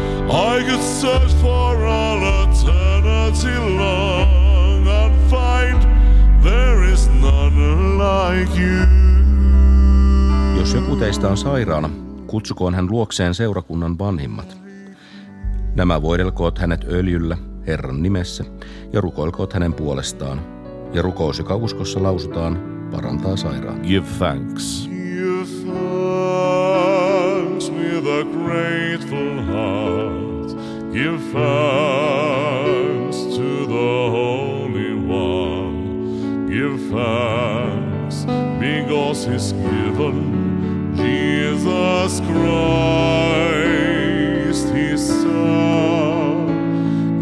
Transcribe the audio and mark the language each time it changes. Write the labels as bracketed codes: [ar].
[en] I could search for all eternity long and find there is none like you. [fi] Jos joku teistä on sairaana, kutsukoon hän luokseen seurakunnan vanhimmat. Nämä voidelkoot hänet öljyllä Herran nimessä ja rukoilkoot hänen puolestaan. Ja rukous, joka uskossa lausutaan, parantaa sairaan. [en] Give thanks. Give thanks with a grateful heart. Give thanks to the Holy One. Give thanks because He's given Jesus Christ, His Son.